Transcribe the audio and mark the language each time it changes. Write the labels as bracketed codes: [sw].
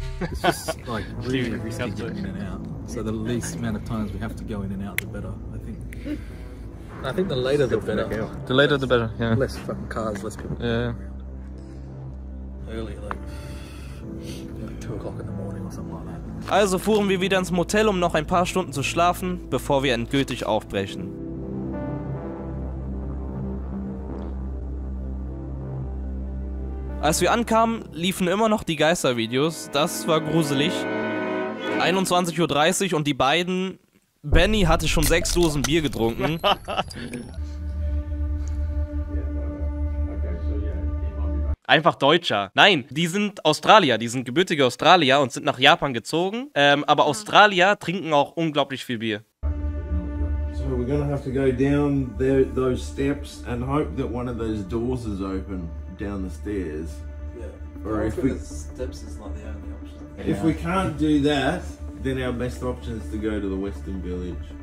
[en] So the least amount of times we have to go in and out, the better, I think. I think the later the better. The later the better, yeah. Less fucking cars, less people. Yeah. Early, like 2 o'clock in the morning or something like that. [de] Also fuhren wir wieder ins Motel, um noch ein paar Stunden zu schlafen, bevor wir endgültig aufbrechen. Als wir ankamen, liefen immer noch die Geistervideos. Das war gruselig. 21.30 Uhr und die beiden... Benny hatte schon 6 Dosen Bier getrunken. Einfach Deutscher. Nein, die sind Australier. Die sind gebürtige Australier und sind nach Japan gezogen. Aber Australier trinken auch unglaublich viel Bier. [en] So we're gonna have to go down there, those steps and hope that one of those doors is open. Down the stairs. Yeah. Or if we, the steps is not the only option. If we can't do that, then our best option is to go to the Western Village.